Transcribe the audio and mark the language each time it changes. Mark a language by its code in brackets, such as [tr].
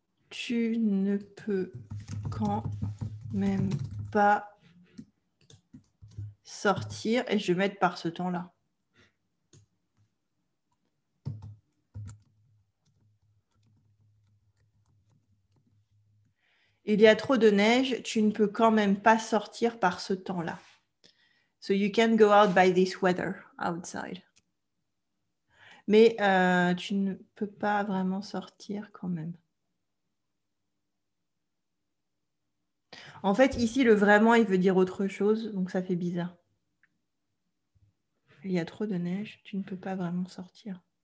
[fr] Tu ne peux quand même pas sortir. Et je vais mettre par ce temps-là. Il y a trop de neige. Tu ne peux quand même pas sortir par ce temps-là. [en] So you can't go out by this weather outside. [fr] Mais tu ne peux pas vraiment sortir quand même. En fait, ici, le vraiment, il veut dire autre chose, donc ça fait bizarre. Il y a trop de neige, tu ne peux pas vraiment sortir.